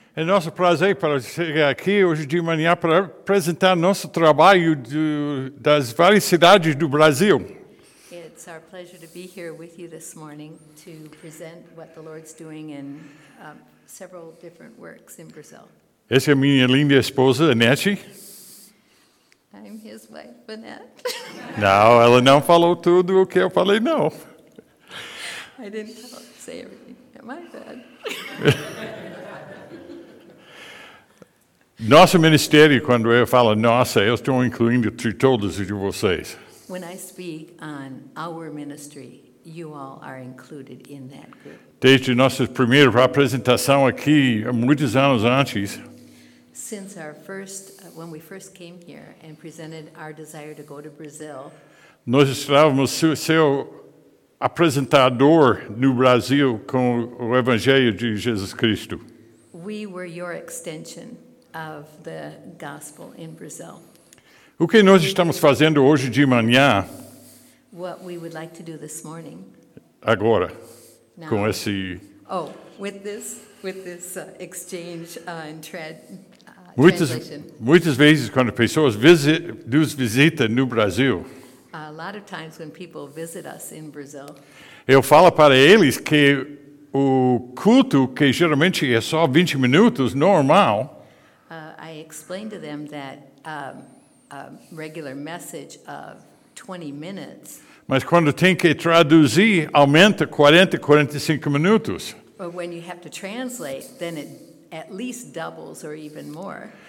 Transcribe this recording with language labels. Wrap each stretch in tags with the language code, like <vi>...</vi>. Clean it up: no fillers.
<pt>É nosso prazer para chegar aqui hoje de manhã para apresentar nosso trabalho das várias cidades do Brasil.</pt> <en>It's our pleasure to be here with you this morning to present what the Lord's doing in several different works in Brazil.</en> <pt>Essa é minha linda esposa, Annette.</pt> <en>I'm his wife, Annette.</en> <pt>Não, ela não falou tudo o que eu falei, não.</pt> <en>I didn't say everything. My bad.</en> <pt>Nosso ministério, quando eu falo nossa, eu estou incluindo todos de vocês.</pt> <en>When I speak on our ministry, you all are included in that group.</en> <pt>Desde nossa primeira apresentação aqui, muitos anos antes.</pt> <en>Since our first, when we first came here and presented our desire to go to Brazil.</en> <pt>Nós estávamos seu apresentador no Brasil com o Evangelho de Jesus Cristo.</pt> <en>We were your extension of the gospel in Brazil.</en> <pt>O que nós estamos fazendo hoje de manhã?</pt> <en>What we would like to do this morning.</en> <pt>Agora.</pt> <en>Now,</en> <pt>com esse.</pt> <en>Oh, with this exchange in translation.</en> <pt>Muitas vezes quando pessoas visitam no Brasil.</pt> <en>A lot of times when people visit us in Brazil.</en> <pt>Eu falo para eles que o culto que geralmente é só 20 minutos normal.</pt> <en>I explained to them that a regular message of 20 minutes.</en> <pt>Mas quando tem que traduzir, aumenta 40, 45 minutos.</pt> <en>But when you have to translate, then it at least doubles or even more.</en>